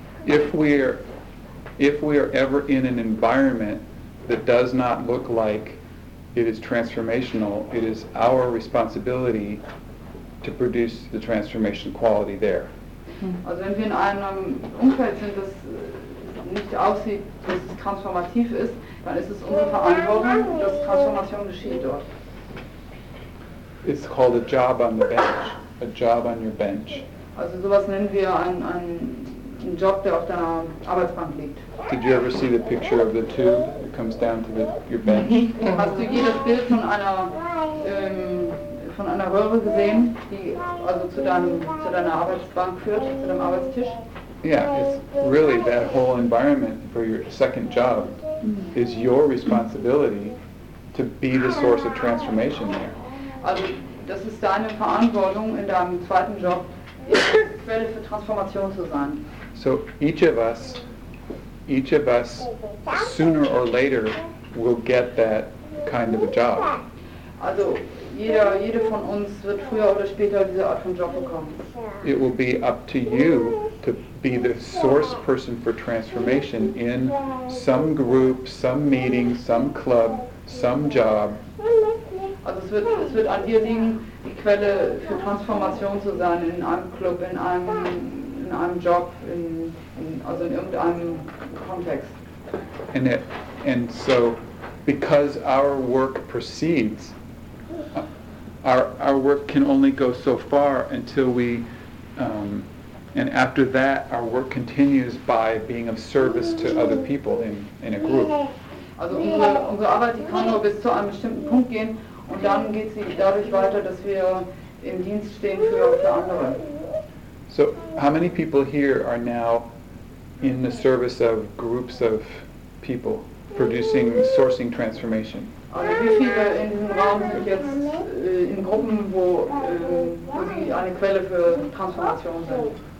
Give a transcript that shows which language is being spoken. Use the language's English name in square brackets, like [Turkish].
[English] If we are ever in an environment that does not look like it is transformational, it is our responsibility to produce the transformation quality there. [German] Also wenn wir in einem Umfeld sind, das nicht aussieht, dass es transformativ ist, dann ist es unsere Verantwortung, dass Transformation geschieht dort. [English] It's called a job on the bench. A job on your bench. [German] Also sowas nennen wir einen Job, der auf deiner Arbeitsbank liegt. [English] Did you ever see the picture of the tube that comes down to your bench? [German] Hast du je das Bild von einer Röhre gesehen, die also zu deiner Arbeitsbank führt, zu deinem Arbeitstisch? [English] Yeah, it's really that whole environment for your second job is your responsibility to be the source of transformation there. [German] Also das ist deine Verantwortung in deinem zweiten Job, Quelle für Transformation zu sein. [English] So each of us, sooner or later, will get that kind of a job. [German] Also jede von uns wird früher oder später diese Art von Job bekommen. [English] It will be up to you to be the source person for transformation in some group, some meeting, some club, some job. [German] Also es wird an dir liegen, die Quelle für Transformation zu sein in einem Club, in einem Job, also in irgendeinem Kontext. [English] And so, because our work proceeds, our work can only go so far until we, and after that, our work continues by being of service to other people in a group. [German] Also unsere Arbeit, die kann nur bis zu einem bestimmten Punkt gehen, und dann geht sie dadurch weiter, dass wir im Dienst stehen für andere. [English] So, how many people here are now in the service of groups of people producing, sourcing transformation? [German] Also, wie viele in diesem Raum sind jetzt in Gruppen, wo sie eine Quelle für Transformation sind?